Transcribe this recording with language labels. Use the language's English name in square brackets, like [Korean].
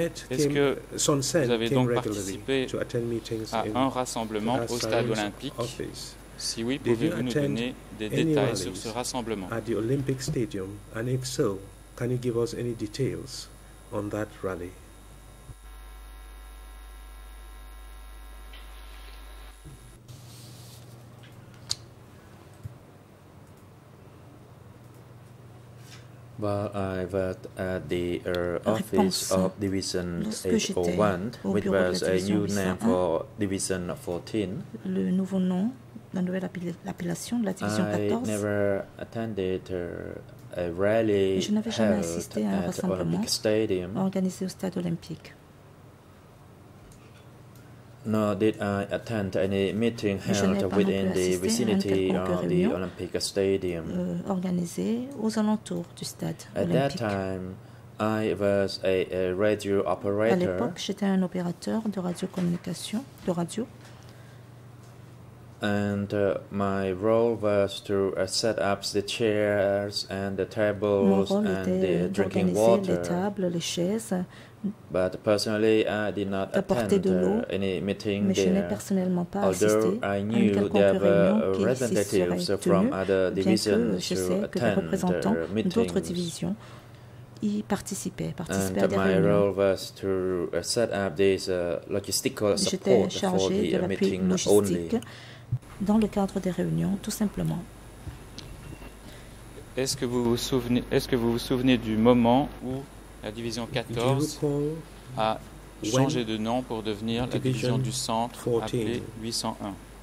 [French] Est-ce que vous avez donc participé à un rassemblement au stade olympique? Si oui, pouvez-vous nous donner des détails sur ce rassemblement? [English] At the Olympic Stadium, and if so, can you give us any details on that rally? Well, I was at the office of Division 801, which was a new name for Division 14. [French] Le nouveau nom. La nouvelle appellation de la division 14. [English] I never attended a rally. [French] Je n'avais jamais assisté à un rassemblement organisé au stade olympique. [English] No, did I attend any meeting held within the vicinity of the Olympic Stadium? [French] Organisé aux alentours du stade olympique. [English] At that time, I was a radio operator. [French] À l'époque, j'étais un opérateur de radiocommunication, de radio. [English] And my role was to set up the chairs and the tables and the drinking water. [French] Les tables, les chaises. [English] But personally, I did not attend any meeting there. Although I knew there were representatives from other divisions to attend [French] d'autres divisions y participaient [English] à my role was to set up this logistical support for the meeting only. [French] Dans le cadre des réunions, tout simplement. Est-ce que vous vous souvenez du moment où la division 14 a changé de nom pour devenir la division du centre appelée 801?